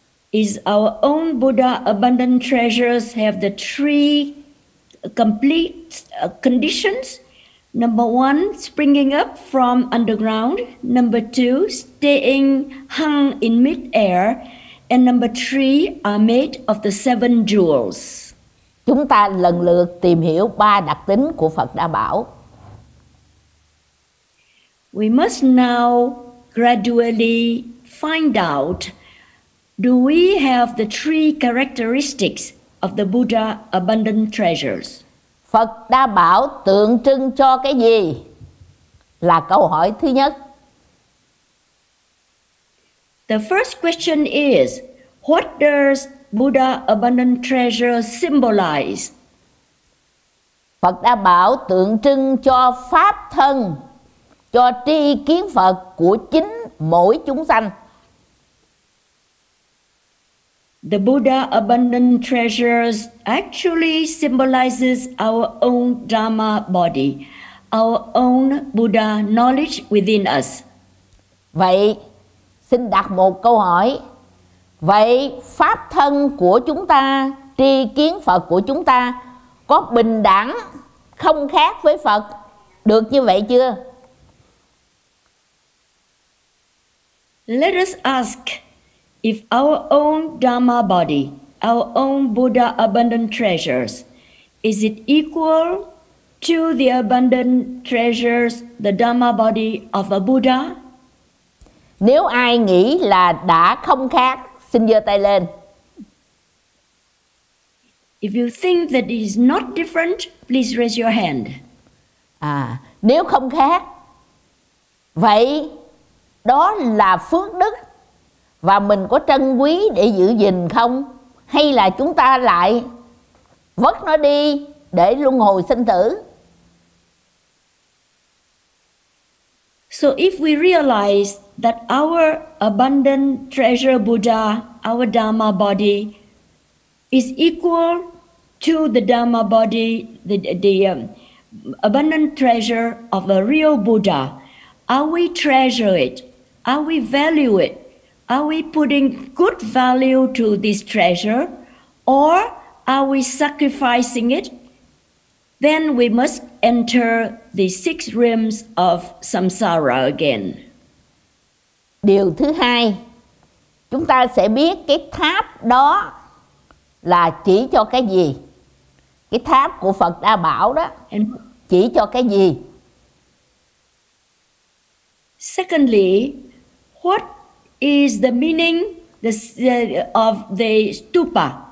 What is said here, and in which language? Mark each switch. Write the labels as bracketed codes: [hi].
[en] Is our own Buddha abundant treasures have the three complete conditions? Number one, springing up from underground. Number two, staying hung in mid-air. And number three, are made of the seven jewels. [vi] Chúng ta lần lượt tìm hiểu ba đặc tính của Phật Đa Bảo. [en] We must now gradually find out, do we have the three characteristics of the Buddha abundant treasures? [vi] Phật Đa Bảo tượng trưng cho cái gì? Là câu hỏi thứ nhất. [en] The first question is, what does Buddha abundant treasure symbolize? [vi] Phật Đa Bảo tượng trưng cho pháp thân, cho tri kiến Phật của chính mỗi chúng sanh. [en] The Buddha abundant treasures actually symbolizes our own Dharma body, our own Buddha knowledge within us. [vi] Vậy, xin đặt một câu hỏi. Vậy, pháp thân của chúng ta tri kiến Phật của chúng ta có bình đẳng, không khác với Phật. Được như vậy chưa? [en] Let us ask if our own Dharma body, our own Buddha abundant treasures, is it equal to the abundant treasures, the Dharma body of a Buddha? [vi] Nếu ai nghĩ là đã không khác, xin giơ tay lên. [en] If you think that it is not different, please raise your hand. [vi] À, nếu không khác, vậy đó là phước đức và mình có trân quý để giữ gìn không? Hay là chúng ta lại vứt nó đi để luân hồi sinh tử? [en] So if we realize that our abundant treasure Buddha, our Dharma body, is equal to the Dharma body, the abundant treasure of a real Buddha, are we treasure it? Are we value it? Are we putting good value to this treasure? Or are we sacrificing it? Then we must enter the six realms of samsara again. [vi] Điều thứ hai, chúng ta sẽ biết cái tháp đó là chỉ cho cái gì? Cái tháp của Phật Đa Bảo đó chỉ cho cái gì? [en] Secondly, what is the meaning of the stupa?